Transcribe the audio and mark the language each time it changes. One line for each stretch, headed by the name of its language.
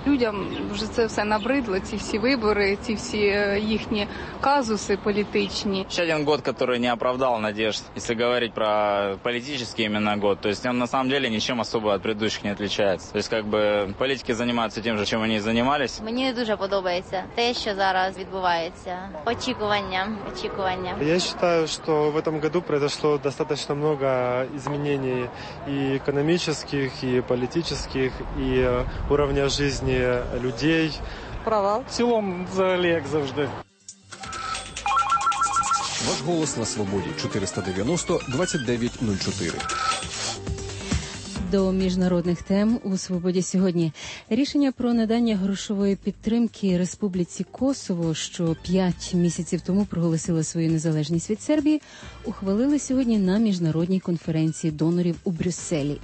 Ukrainian: Людям вже це все набридло, ці всі вибори, ці всі їхні казуси політичні. Ще один год, який не оправдав надіжд, якщо говорити про політичний іменно год, то він,
Russian: на самом деле,
Ukrainian: нічим особо від предыдущих не відрізняється. Тобто, як би, політики займаються тим же, чим вони займалися. Мені дуже подобається те, що зараз відбувається. Очікування.
Russian: Я считаю, что в этом году произошло достаточно много изменений и экономических, и политических, и уровня жизни людей. Провал. В целом,
Ukrainian: взагалі, як завжди. Ваш голос на свободі. 490-2904. До міжнародних тем у «Свободі сьогодні». Рішення про надання грошової підтримки Республіці Косово, що 5 місяців тому проголосила свою незалежність від Сербії, ухвалили сьогодні на міжнародній конференції донорів у Брюсселі.